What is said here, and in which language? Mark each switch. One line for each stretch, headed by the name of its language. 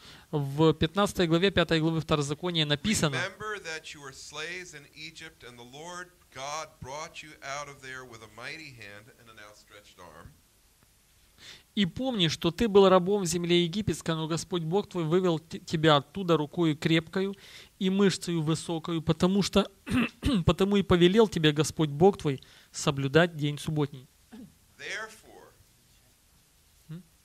Russian: В 15 главе, 5 главе Второзакония написано:
English: Remember that you were slaves in Egypt, and the Lord God brought you out of there with a mighty hand and an outstretched arm.
Russian: И помни, что ты был рабом в земле египетской, но Господь Бог твой вывел тебя оттуда рукою крепкою и мышцею высокою, потому что потому и повелел тебе Господь Бог твой соблюдать день субботний.
English: Therefore,